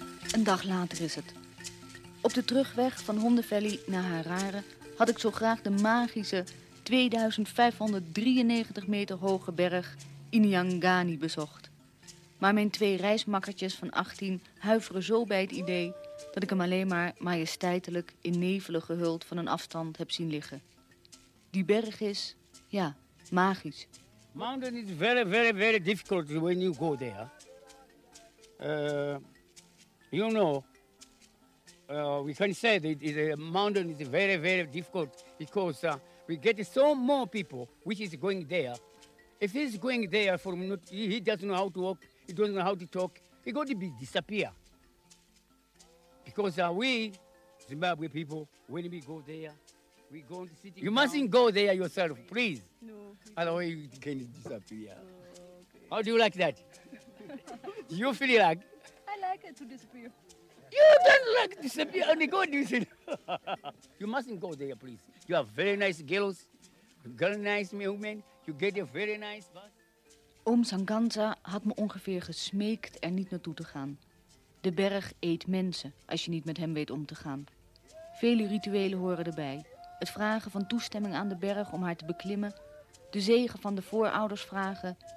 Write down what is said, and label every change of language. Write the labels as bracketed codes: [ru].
[nl] Een dag later is het. Op de terugweg van Hondenvalley naar Harare had ik zo graag de magische 2593 meter hoge berg Inyangani bezocht. Maar mijn twee reismakkertjes van 18 huiveren zo bij het idee dat ik hem alleen maar majesteitelijk in nevelen gehuld van een afstand heb zien liggen. Die berg is, ja, magisch. [en] Mountain is very, very, very difficult when you go there. You know, we can say that the mountain is very, very difficult because we get so more people which is going there. If he's going there for a minute, he doesn't know how to walk, he doesn't know how to talk, he got to be disappear. Because we, Zimbabwe people, when we go there, we go to city. You mustn't go there yourself, please. No. Otherwise, you can disappear. Okay. How do you like that? You feel like? I like it to disappear. You don't like disappear and go disappear. You mustn't go there, please. You have very nice girls, very nice women. You get a very nice bus. [nl] Oom Sanganza had me ongeveer gesmeekt er niet naartoe te gaan. De berg eet mensen als je niet met hem weet om te gaan. Vele rituelen horen erbij. Het vragen van toestemming aan de berg om haar te beklimmen. De zegen van de voorouders vragen.